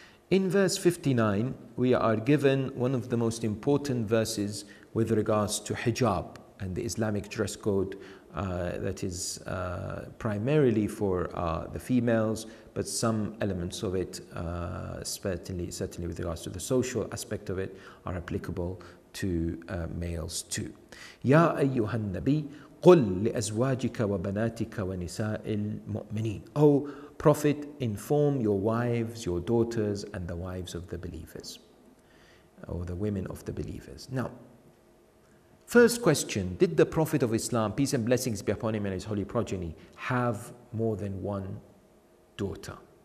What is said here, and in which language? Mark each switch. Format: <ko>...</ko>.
<en>In verse 59, we are given one of the most important verses with regards to hijab and the Islamic dress code that is primarily for the females, but some elements of it, certainly with regards to the social aspect of it, are applicable to males too.</en> <ar>Ya ayyuhan nabi, قُلْ لِأَزْوَاجِكَ وَبَنَاتِكَ وَنِسَاءِ الْمُؤْمِنِينَ.</ar> <en>Oh, Prophet, inform your wives, your daughters, and the wives of the believers, or the women of the believers. Now, first question, did the Prophet of Islam, peace and blessings be upon him and his holy progeny, have more than one daughter?</en>